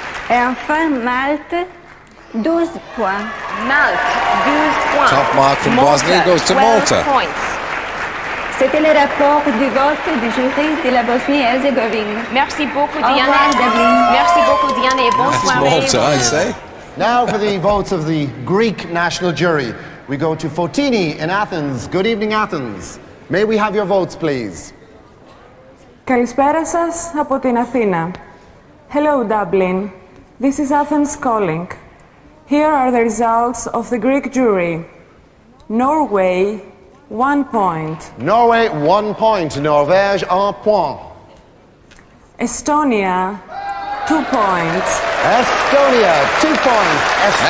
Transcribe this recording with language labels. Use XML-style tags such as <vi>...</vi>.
<fr>Et enfin, Malte, 12 points. Malte, 12 points.</fr> <en>Top mark from Bosnia goes to Malta. Points.</en> <fr>C'était le rapport du vote du jury de la Bosnie-Herzégovine. Merci beaucoup, Diana. Au revoir, David. Merci beaucoup, Diana, et bonsoir.</fr> <en>That's Malta, I say. Now for the votes of the Greek national jury. We go to Fotini in Athens. Good evening, Athens. May we have your votes, please?</en> <el>Καλησπέρα σας από την Αθήνα.</el> <en>Hello, Dublin. This is Athens calling. Here are the results of the Greek jury. Norway, 1 point. Norway, 1 point. Norvège, 1 point. Estonia, 2 points. Estonia, 2 points. Estonia,</en>